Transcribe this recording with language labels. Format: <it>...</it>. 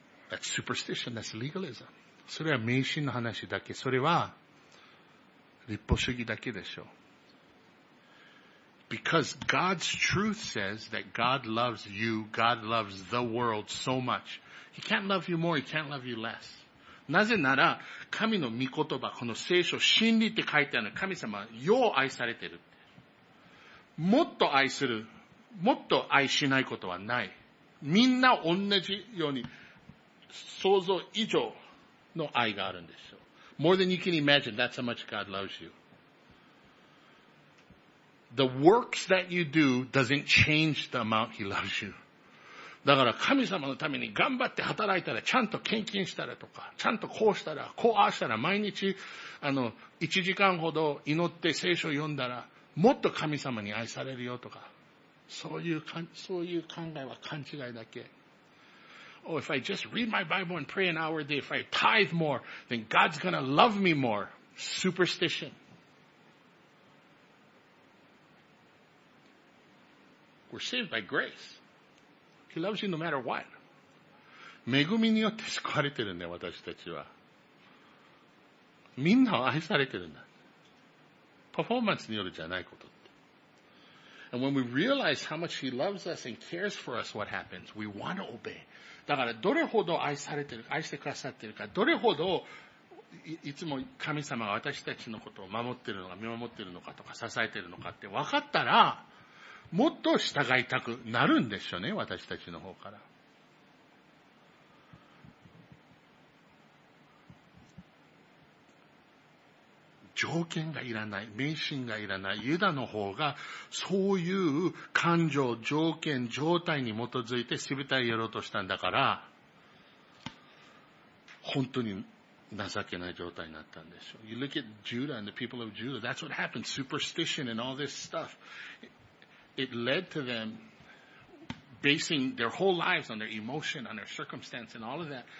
<en>That's superstition, that's legalism.</en> <ja>それは迷信の話だけ。それは立法主義だけでしょう。</ja> <en>Because God's truth says that God loves you, God loves the world so much. He can't love you more, He can't love you less.</en> <ja>なぜなら、神の御言葉、この聖書、真理って書いてある神様、よう愛されてるって。もっと愛する、もっと愛しないことはない。みんな同じように、想像以上の愛があるんですよ。</ja> <en>More than you can imagine, that's how much God loves you. The works that you do doesn't change the amount He loves you.</en> <ja>だから神様のために頑張って働いたら、ちゃんと献金したらとか、ちゃんとこうしたら、こうああしたら、毎日、1時間ほど祈って聖書を読んだら、もっと神様に愛されるよとか、そういう考えは勘違いだけ。</ja> <en>Oh, if I just read my Bible and pray an hour a day, if I tithe more, then God's gonna love me more. Superstition. We're saved by grace. He loves you no matter what.</en> <ja>恵みによって救われてるんだよ、私たちは。みんなを愛されてるんだ。パフォーマンスによるじゃないことって。</ja> <en>And when we realize how much He loves us and cares for us, what happens? We want to obey.</en> <ja>だから、どれほど愛されてる、愛してくださってるか、どれほど、いつも神様が私たちのことを守ってるのか、見守ってるのかとか、支えてるのかって分かったら、もっと従いたくなるんでしょうね、私たちの方から。条件がいらない、迷信がいらない、ユダの方が、そういう感情、条件、状態に基づいて全てをやろうとしたんだから、本当に情けない状態になったんですよ。</ja> <en>You look at Judah and the people of Judah, that's what happened, superstition and all this stuff. It led to them basing their whole lives on their emotion, on their circumstance and all of that.</en>